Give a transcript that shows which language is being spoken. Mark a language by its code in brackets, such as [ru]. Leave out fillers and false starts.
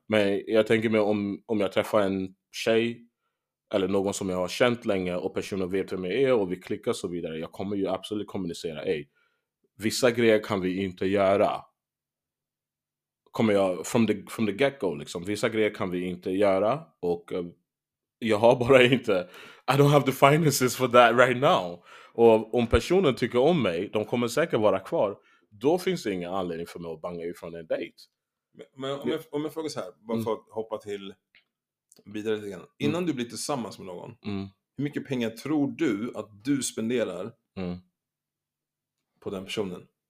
[sv] Men jag tänker mig om jag träffar en tjej eller någon som jag har känt länge och personen vet vem jag är och vi klickar så vidare. Jag kommer ju absolut kommunicera, hej, vissa grejer kan vi inte göra. Kommer jag [en] from the get-go [sv] liksom. Vissa grejer kan vi inte göra. Och jag har bara inte, [en] I don't have the finances for that right now. [sv] Och om personen tycker om mig, de kommer säkert vara kvar. Då finns det ingen anledning för mig att banga ifrån en date. Men om jag frågar så här, bara för att hoppa till vidare lite grann. Innan du blir tillsammans med någon, hur mycket pengar tror du att du spenderar på den personen?